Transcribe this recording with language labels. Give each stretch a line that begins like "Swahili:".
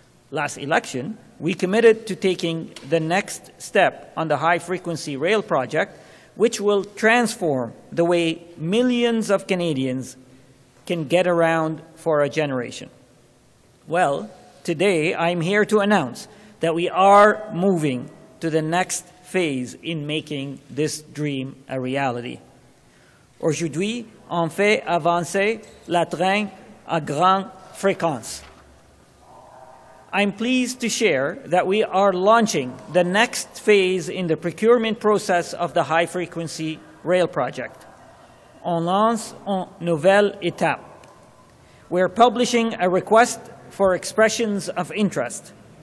English: Last election, we committed to taking the next step on the high-frequency rail project, which will transform the way millions of Canadians can get around for a generation. Well, today I'm here to announce that we are moving to the next phase in making this dream a reality.
French: Aujourd'hui, on fait avancer la train à grande fréquence.
English: I'm pleased to share that we are launching the next phase in the procurement process of the high-frequency rail project.
French: On lance une nouvelle étape.
English: We're publishing a request for expressions of interest.